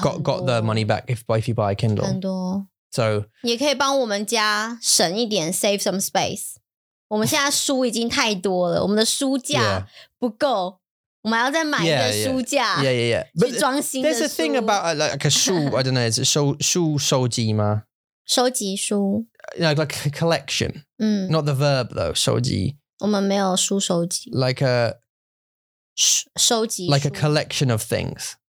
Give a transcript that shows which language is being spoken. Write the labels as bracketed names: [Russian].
[English] got the money back if you buy a Kindle. [Chinese] 很多. [English] So [Chinese] 也可以帮我们家省一点, [English] save some space. [Chinese] 我们现在书已经太多了, 我们的书架不够, 我们要再买一个书架, [English] yeah. There's a thing about like a shoe, I don't know, is it [Chinese] 收集吗? 收集书. [English] You know, like a collection. Not the verb though, 收集. [Chinese] 我们没有书收集. [English] Like a [Chinese] 收集书. [English] Like a collection of things.